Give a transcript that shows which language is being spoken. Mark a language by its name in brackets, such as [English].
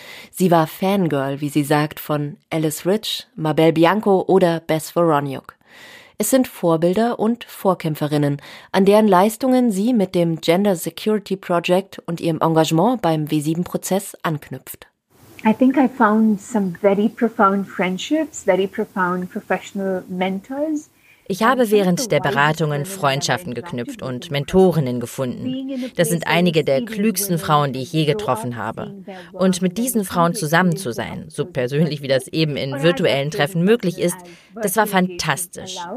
[German] Sie war Fangirl, wie sie sagt, von Alice Rich, Mabel Bianco oder Beth Voronyuk. Es sind Vorbilder und Vorkämpferinnen, an deren Leistungen sie mit dem Gender Security Project und ihrem Engagement beim W7-Prozess anknüpft. [English] I think I found some very profound friendships, very profound professional mentors. [German] Ich habe während der Beratungen Freundschaften geknüpft und Mentorinnen gefunden. Das sind einige der klügsten Frauen, die ich je getroffen habe. Und mit diesen Frauen zusammen zu sein, so persönlich wie das eben in virtuellen Treffen möglich ist, das war fantastisch.